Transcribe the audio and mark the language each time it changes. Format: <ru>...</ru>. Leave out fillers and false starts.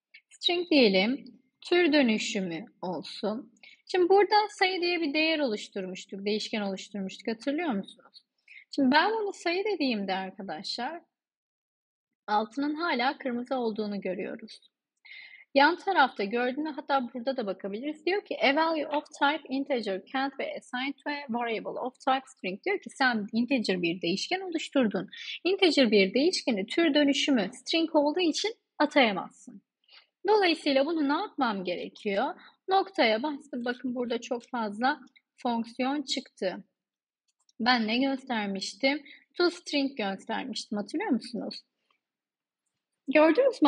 <tr>String diyelim. Tür dönüşümü olsun. Şimdi burada sayı diye bir değer oluşturmuştuk, değişken oluşturmuştuk. Hatırlıyor musunuz? Şimdi ben bunu sayı dediğimde arkadaşlar, altının hala kırmızı olduğunu görüyoruz. Yan tarafta gördüğünüz, hatta burada da bakabiliriz. Diyor ki,</tr> <en>a value of type integer can't be assigned to a variable of type string.</en> <tr>Diyor ki, sen integer bir değişken oluşturdun. Integer bir değişkeni tür dönüşümü string olduğu için atayamazsın. Dolayısıyla bunu ne yapmam gerekiyor? Noktaya bastım. Bakın burada çok fazla fonksiyon çıktı. Ben ne göstermiştim? ToString göstermiştim. Hatırlıyor musunuz? Gördünüz mü?</tr>